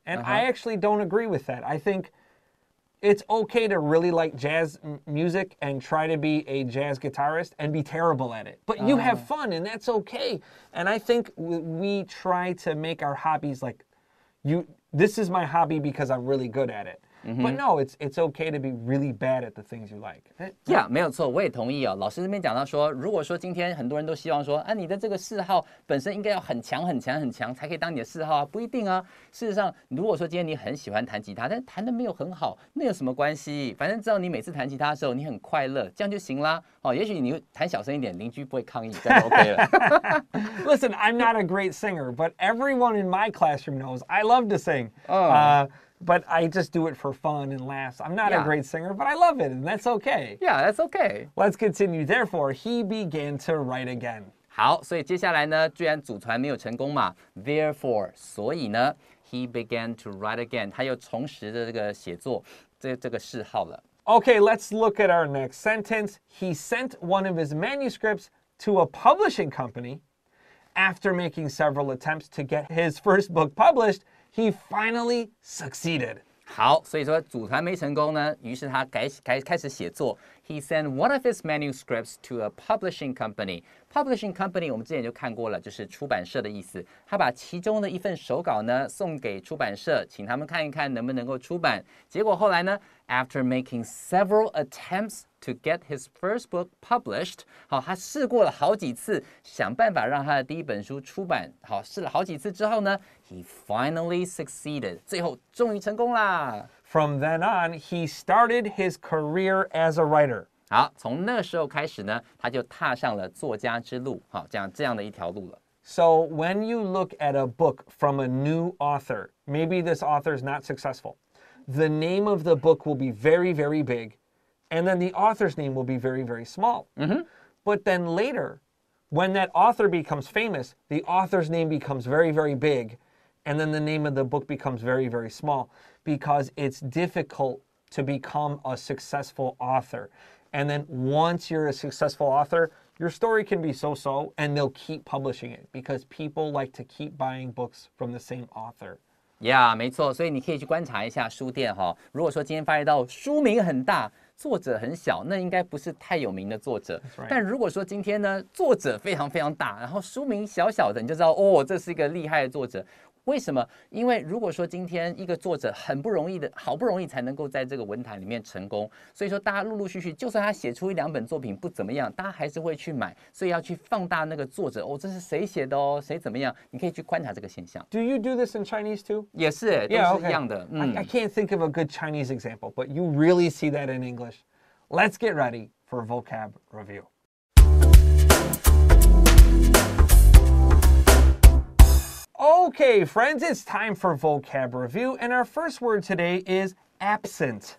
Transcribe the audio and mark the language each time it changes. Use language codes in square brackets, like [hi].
[en] And I actually don't agree with that. I think it's okay to really like jazz music and try to be a jazz guitarist and be terrible at it. But you have fun, and that's okay. And I think we try to make our hobbies like, this is my hobby because I'm really good at it. But no, it's okay to be really bad at the things you like. [zh] Yeah, 没有错，我也同意哦。老师这边讲到说，如果说今天很多人都希望说，啊，你的这个嗜好本身应该要很强、很强、很强，才可以当你的嗜好啊，不一定啊。事实上，如果说今天你很喜欢弹吉他，但弹的没有很好，那有什么关系？反正知道你每次弹吉他的时候你很快乐，这样就行啦。哦，也许你弹小声一点，邻居不会抗议，这样 OK 了。 [en] Listen, I'm not a great singer, but everyone in my classroom knows I love to sing. But I just do it for fun and laughs. I'm not a great singer, but I love it, and that's okay. Yeah, that's okay. Let's continue. Therefore, he began to write again. [zh] 好，所以接下来呢，居然组团没有成功嘛。 [en] Therefore, [zh] 所以呢 [en] ，he began to write again. [zh] 他又重拾了这个写作这个嗜好了。 [en] Okay, let's look at our next sentence. He sent one of his manuscripts to a publishing company. After making several attempts to get his first book published,He finally succeeded. [zh] 好，所以说组团没成功呢，于是他开始写作。 [en] He sent one of his manuscripts to a publishing company. [zh] Publishing company 我们之前就看过了，就是出版社的意思。他把其中的一份手稿呢送给出版社，请他们看一看能不能够出版。结果后来呢 ， [en] After making several attempts to get his first book published， [zh] 好，他试过了好几次，想办法让他的第一本书出版。好，试了好几次之后呢 ， [en] He finally succeeded， [zh] 最后终于成功啦。 [en] From then on, he started his career as a writer. [zh] 好，从那时候开始呢，他就踏上了作家之路，好，这样的一条路了。 [en] So when you look at a book from a new author, maybe this author is not successful. The name of the book will be very, very big, and then the author's name will be very, very small. Mm-hmm. But then later, when that author becomes famous, the author's name becomes very, very big, and then the name of the book becomes very, very small. Because it's difficult to become a successful author. And then once you're a successful author, your story can be so-so, and they'll keep publishing it because people like to keep buying books from the same author. [zh] Yeah, 没错，所以你可以去观察一下书店哈。如果说今天发现到书名很大，作者很小，那应该不是太有名的作者。 [en] That's right. [zh] 但如果说今天呢，作者非常非常大，然后书名小小的，你就知道哦，这是一个厉害的作者。为什么？因为如果说今天一个作者很不容易的，好不容易才能够在这个文坛里面成功，所以说大家陆陆续续，就算他写出一两本作品不怎么样，大家还是会去买，所以要去放大那个作者哦，这是谁写的哦，谁怎么样？你可以去观察这个现象。 [en] Do you do this in Chinese too? [zh] 也是，都是一样的。 [en] Yeah, okay. I can't think of a good Chinese example, but you really see that in English. Let's get ready for vocab review. Okay, friends, it's time for vocab review, and our first word today is absent.